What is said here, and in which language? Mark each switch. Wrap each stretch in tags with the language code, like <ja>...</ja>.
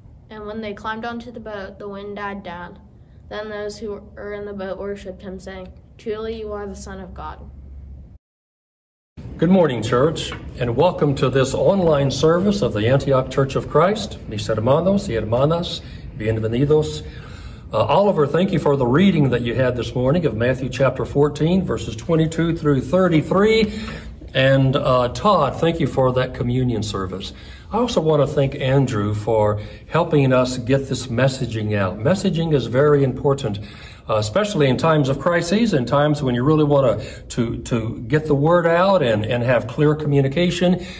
<en>And when they climbed onto the boat, the wind died down. Then those who were in the boat worshipped him, saying, "Truly, you are the Son of God." Good morning, church, and welcome to this online service of the Antioch Church of Christ.</en> <es>Mis hermanos y hermanas, bienvenidos.</es> <en>Oliver, thank you for the reading that you had this morning of Matthew chapter 14, verses 22 through 33. And Todd, thank you for that communion service. I also want to thank Andrew for helping us get this messaging out. Messaging is very important, especially in times of crises, in times when you really want to get the word out and have clear communication.</en>